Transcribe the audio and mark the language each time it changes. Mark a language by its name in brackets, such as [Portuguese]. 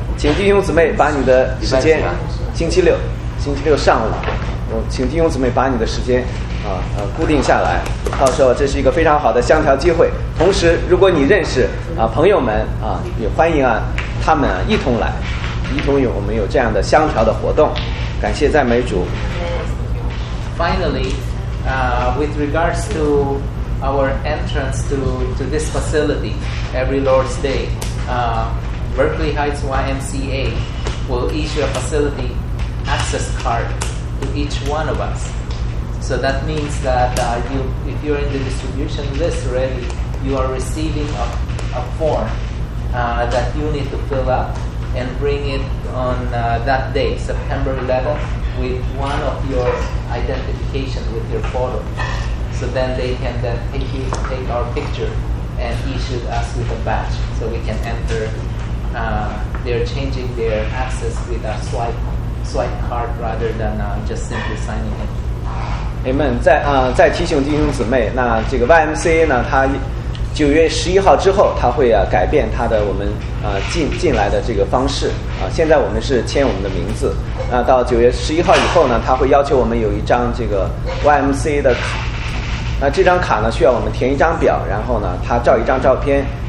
[Chinese] 请弟兄姊妹把你的时间，星期六上午，请弟兄姊妹把你的时间固定下来。到时候这是一个非常好的香条机会。同时，如果你认识朋友们也欢迎他们一同来，一同有我们有这样的香条的活动。感谢赞美主。 [English] Finally, with regards to our entrance to this facility every Lord's Day, Berkeley Heights YMCA will issue a facility access card to each one of us. So that means that if you're in the distribution list already, you are receiving a form that you need to fill up and bring it on that day, September 11th, with one of your identification with your photo. So then they can then take our picture and issue us with a badge so we can enter. They're changing their access with a swipe card rather than just simply signing in. Amen. [Chinese] 再提醒弟兄姊妹，那这个 YMCA 呢，它九月十一号之后，它会改变它的我们进来的这个方式现在我们是签我们的名字，那到九月十一号以后呢，它会要求我们有一张这个 YMCA 的那这张卡呢，需要我们填一张表，然后呢，它照一张照片。